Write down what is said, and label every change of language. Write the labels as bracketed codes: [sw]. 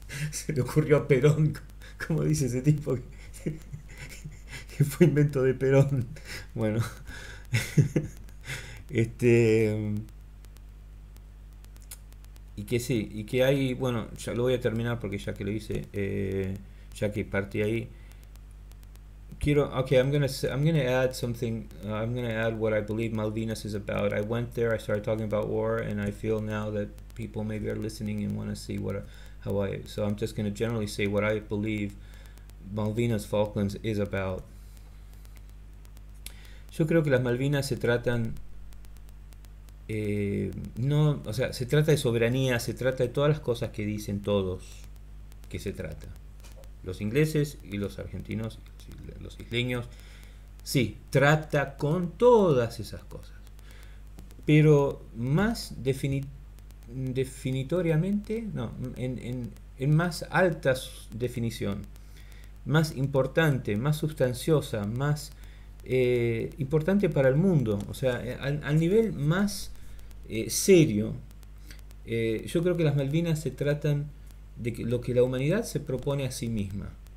[es] Se le ocurrió a Perón, como dice ese tipo, que fue invento de Perón. Bueno, y que sí, y que hay, bueno, ya lo voy a terminar porque ya que lo hice, ya que partí ahí. Quiero, [en] okay, I'm gonna add something. I'm gonna add what I believe Malvinas is about. I went there, I started talking about war, and I feel now that people maybe are listening and want to see so I'm just gonna generally say what I believe Malvinas Falklands is about. [es] Yo creo que las Malvinas se tratan, no, o sea, se trata de soberanía, se trata de todas las cosas que dicen todos que se trata. Los ingleses y los argentinos. Los isleños, sí, trata con todas esas cosas, pero más definitoriamente, no, en más alta definición, más importante, más sustanciosa, más importante para el mundo, o sea, al nivel más serio, yo creo que las Malvinas se tratan de lo que la humanidad se propone a sí misma.